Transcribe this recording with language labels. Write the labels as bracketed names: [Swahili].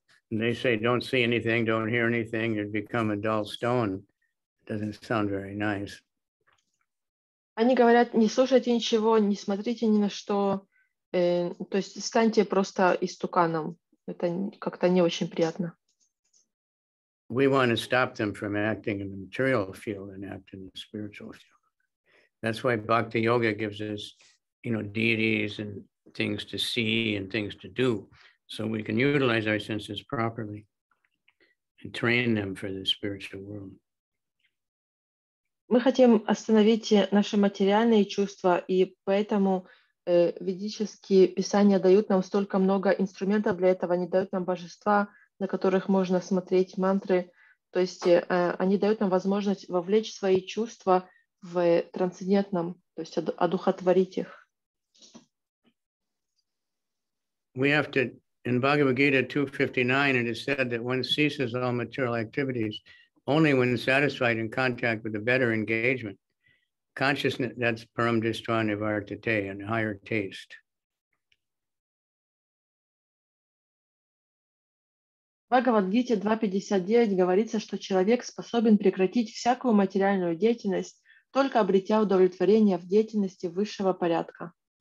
[English] They say don't see anything, don't hear anything, you'd become a dull stone. It doesn't sound very nice. [Russian] Они говорят, не слушайте ничего, не смотрите ни на что, то есть станьте просто истуканом. Это как-то не очень приятно. [English] We want to stop them from acting in the material field and acting in the spiritual field. That's why bhakti yoga gives us, you know, deities and things to see and things to do. So we can utilize our senses properly and train them for the spiritual world. [Russian] Мы хотим остановить наши материальные чувства, и поэтому ведические писания дают нам столько много инструментов для этого. Они дают нам божества, на которых можно смотреть, мантры. То есть они дают нам возможность вовлечь свои чувства в трансцендентном, то есть одухотворить их. [English] We have to, in Bhagavad Gita 2.59, it is said that one ceases all material activities only when satisfied in contact with a better engagement, consciousness, that's [Sanskrit] param dishtva nivartate, [English] and higher taste. [Russian] В Бхагавад-гите 2.59 говорится, что человек способен прекратить всякую материальную деятельность, только обретя удовлетворение в деятельности высшего порядка.